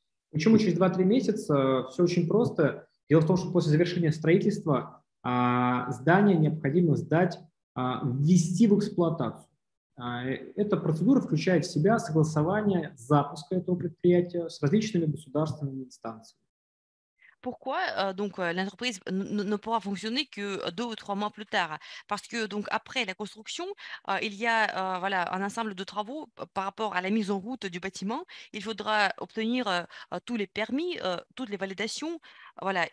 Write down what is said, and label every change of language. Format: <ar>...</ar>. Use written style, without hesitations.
<ru>Почему через 2-3 месяца? Все очень просто. Дело в том, что после завершения строительства здание необходимо ввести в эксплуатацию. Эта процедура включает в себя согласование запуска этого предприятия с различными государственными инстанциями.</ru> <fr>Pourquoi donc l'entreprise ne pourra fonctionner que 2 ou 3 mois plus tard? Parce que donc après la construction, il y a voilà un ensemble de travaux par rapport à la mise en route du bâtiment. Il faudra obtenir tous les permis, toutes les validations, voilà.</fr>